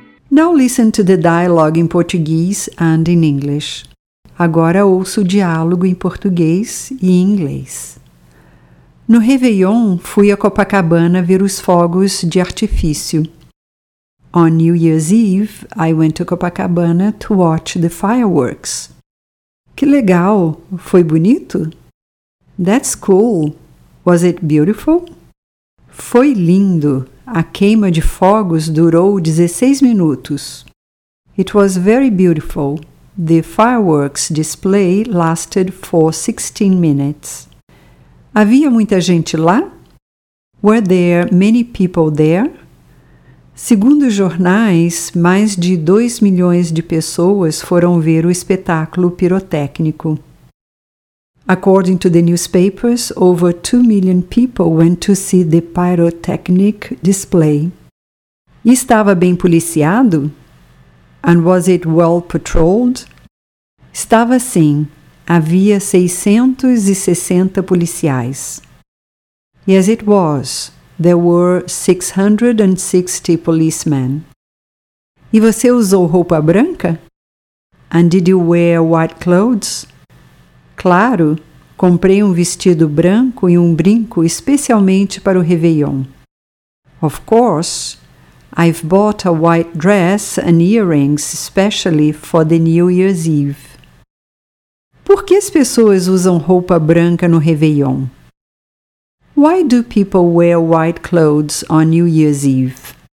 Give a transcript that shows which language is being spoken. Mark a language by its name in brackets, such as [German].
[English] Now listen to the dialogue in Portuguese and in English. [Portuguese] Agora ouço o diálogo em português e em inglês. No Réveillon, fui a Copacabana ver os fogos de artifício. [English] On New Year's Eve, I went to Copacabana to watch the fireworks. [Portuguese] Que legal! Foi bonito? [English] That's cool. Was it beautiful? [Portuguese] Foi lindo. A queima de fogos durou 16 minutos. [English] It was very beautiful. The fireworks display lasted for 16 minutes. [Portuguese] Havia muita gente lá? [English] Were there many people there? [Portuguese] Segundo os jornais, mais de 2 milhões de pessoas foram ver o espetáculo pirotécnico. [English] According to the newspapers, over 2 million people went to see the pyrotechnic display. [Portuguese] E estava bem policiado? [English] And was it well patrolled? [Portuguese] Estava sim. Havia 660 policiais. [English] Yes, it was. There were 660 policemen. [Portuguese] E você usou roupa branca? [English] And did you wear white clothes? [Portuguese] Claro. Comprei um vestido branco e um brinco especialmente para o Réveillon. [English] Of course. I've bought a white dress and earrings especially for the New Year's Eve. [Portuguese] Por que as pessoas usam roupa branca no Réveillon? [English] Why do people wear white clothes on New Year's Eve?